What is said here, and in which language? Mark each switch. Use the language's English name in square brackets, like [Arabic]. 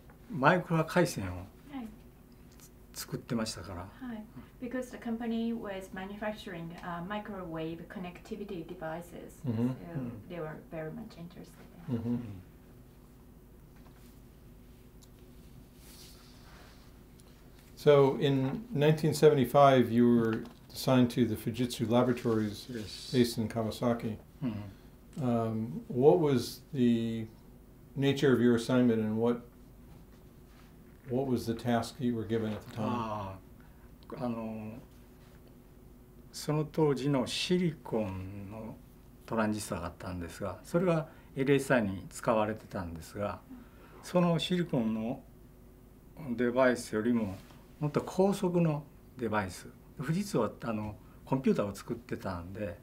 [Japanese] マイクロ回線を作ってましたから。 [English] Hi. Because the company was manufacturing microwave connectivity devices, mm-hmm. so mm-hmm. they were very much interested. Mm-hmm. So in 1975, you were assigned to the Fujitsu Laboratories, yes. based in Kawasaki. Mm-hmm. What was the nature of your assignment, and what was the task you were given at the time? [Japanese] その当時のシリコンのトランジスタがあったんですが、それが LSI に使われてたんですが、そのシリコンのデバイスよりももっと高速のデバイス、富士通はコンピューターを作ってたんで、